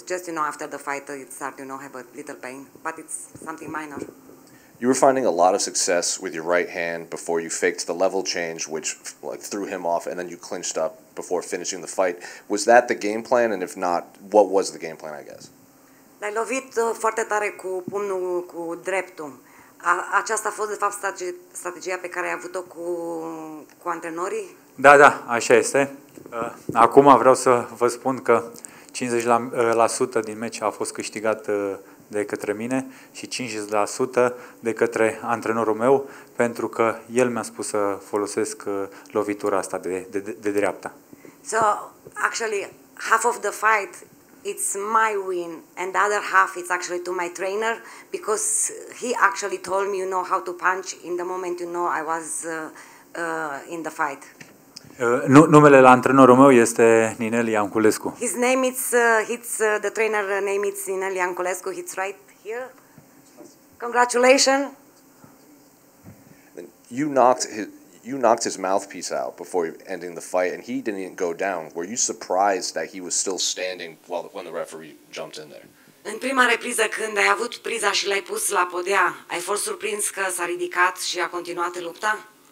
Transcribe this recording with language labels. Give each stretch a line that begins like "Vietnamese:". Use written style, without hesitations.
English: Just, you know, after the fight, it started, you know, have a little pain, but it's something minor. You were finding a lot of success with your right hand before you faked the level change, which, like, threw him off, and then you clinched up before finishing the fight. Was that the game plan? And if not, what was the game plan, I guess?
Romanian: L-ai lovit foarte tare cu pumnul, cu dreptul. Aceasta a fost, de fapt, strategia pe care ai avut-o cu antrenorii? Da, așa este. Acum vreau să vă spun că 50% din meci a fost câștigat de către mine și 50% de către antrenorul meu, pentru că el mi-a spus să folosesc lovitura asta de dreapta.
English: So, actually, half of the fight it's my win, and the other half it's actually to my trainer, because he actually told me, you know, how to punch in the moment, you know, I was in the fight.
Romanian: Numele la antrenorul meu este Ninel Ianculescu.
English: His name is, the trainer name is Ninel Ianculescu. It's right here. Congratulations. You knocked his mouthpiece out before ending the fight, and he didn't go down. Were you surprised that he was still standing when the referee jumped in there?
Romanian: În prima repriză, când ai avut priza și l-ai pus la podea, ai fost surprins că s-a ridicat și a continuat lupta?